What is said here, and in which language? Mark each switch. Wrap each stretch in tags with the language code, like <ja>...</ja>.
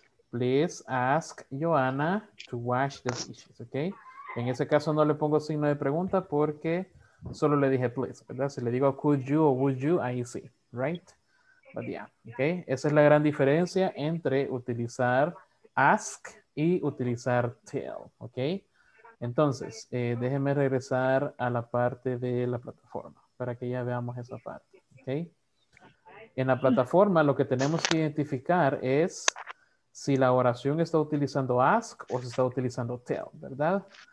<en>Please ask Joanna to wash the dishes, okay?</en> <es>En ese caso no le pongo signo de pregunta porque solo le dije please, ¿verdad? Si le digo could you o would you, ahí sí, right?</es> <en>But yeah, okay.</en> <es>Esa es la gran diferencia entre utilizar ask y utilizar tell, okay. Entonces, déjeme regresar a la parte de la plataforma para que ya veamos esa parte, okay. En la plataforma lo que tenemos que identificar es si la oración está utilizando ask o se está utilizando tell, ¿verdad?</es>